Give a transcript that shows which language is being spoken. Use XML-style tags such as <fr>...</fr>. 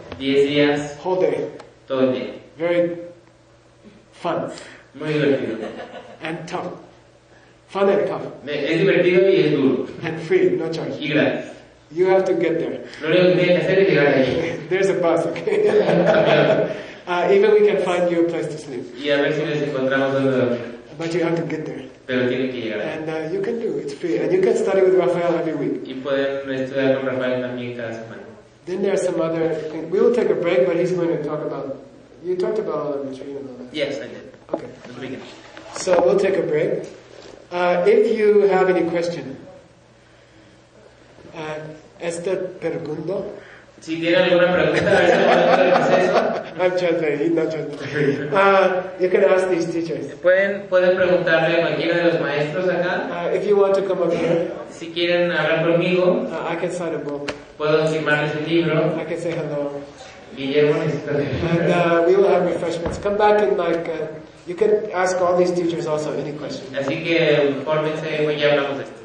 <es>10 días.</es> <en>Whole day.</en> <es>Todo el día.</es> <en>Very fun.</en> <es>Muy divertido.</es> <en>And tough. Fun and tough.</en> <es>Es divertido y es duro.</es> <en>And free, no charge.</en> <es>Y gratis.</es> <en>You have to get there.</en> <es>Lo único que tienes que hacer es llegar ahí.</es> <en>There's a bus, okay? even we can find you a place to sleep.</en> <es>Y a ver si nos encontramos donde dormir.</es> <en>But you have to get there.</en> <es>Pero tiene que llegar ahí.</es> <en>And you can do it. It's free. And you can study with Rafael every week.</en> <es>Y pueden estudiar con Rafael también cada semana.</es> <en>Then there are some other things. We will take a break, but he's going to talk about... You talked about all of the training and all that. Yes, I did. Okay. Let's begin. So we'll take a break. If you have any question,</en> <es>¿Esther pregunto? Si tiene alguna pregunta, a ver si puedo hacerles eso.</es> <en>I'm translating, he's not translating. You can ask these teachers.</en> <es>¿Pueden preguntarle a cualquiera de los maestros acá?</es> <en>If you want to come up here.</en> <es>Si quieren hablar conmigo.</es> <en>I can sign a book.</en> <es>Puedo firmarles un libro.</es> <en>I can say hello.</en> <es>Guillermo necesita leer.</es> <en>And we will have refreshments. Come back in like... You can ask all these teachers also any questions.</en> <es>Así que, fórmense, hoy ya hablamos de esto.</es>